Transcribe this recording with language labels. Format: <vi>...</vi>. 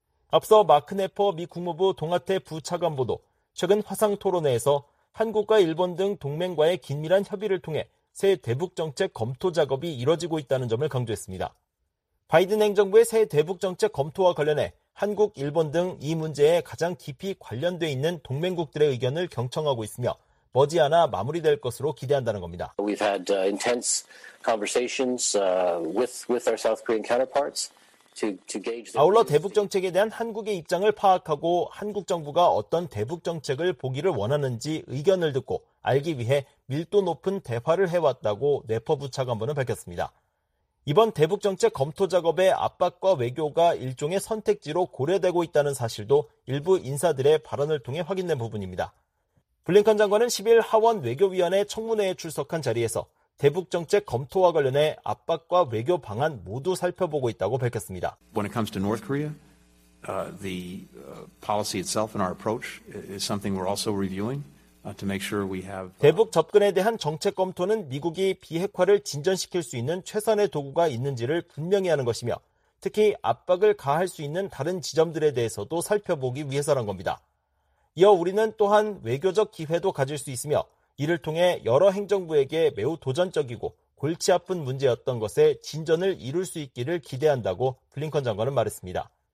<ko>앞서 마크 네퍼 미 국무부 동아태 부차관보도 최근 화상 토론회에서 한국과 일본 등 동맹과의 긴밀한 협의를 통해 새 대북 정책 검토 작업이 이뤄지고 있다는 점을 강조했습니다. 바이든 행정부의 새 대북정책 검토와 관련해 한국, 일본 등 이 문제에 가장 깊이 관련돼 있는 동맹국들의 의견을 경청하고 있으며 머지않아 마무리될 것으로 기대한다는 겁니다.</ko> <en>We've had intense conversations with our South Korean counterparts to gauge.</en> <ko>아울러 대북정책에 대한 한국의 입장을 파악하고 한국 정부가 어떤 대북정책을 보기를 원하는지 의견을 듣고 알기 위해 밀도 높은 대화를 해왔다고 네퍼 부차관보는 밝혔습니다. 이번 대북정책 검토 작업의 압박과 외교가 일종의 선택지로 고려되고 있다는 사실도 일부 인사들의 발언을 통해 확인된 부분입니다. 블링컨 장관은 10일 하원 외교위원회 청문회에 출석한 자리에서 대북정책 검토와 관련해 압박과 외교 방안 모두 살펴보고 있다고 밝혔습니다.</ko> <en>When it comes to North Korea, the policy itself and our approach is something we're also reviewing. To make sure we have</en> <ko>대북 접근에 대한 정책 검토는 미국이 비핵화를 진전시킬 수 있는 최선의 도구가 있는지를 분명히 하는 것이며 특히 압박을 가할 수 있는 다른 지점들에 대해서도 살펴보기 위해서란 겁니다. 이어 우리는 또한 외교적 기회도 가질 수 있으며 이를 통해 여러 행정부에게 매우 도전적이고 골치 아픈 문제였던 것에 진전을 이룰 수 있기를 기대한다고 블링컨 장관은 말했습니다.</ko>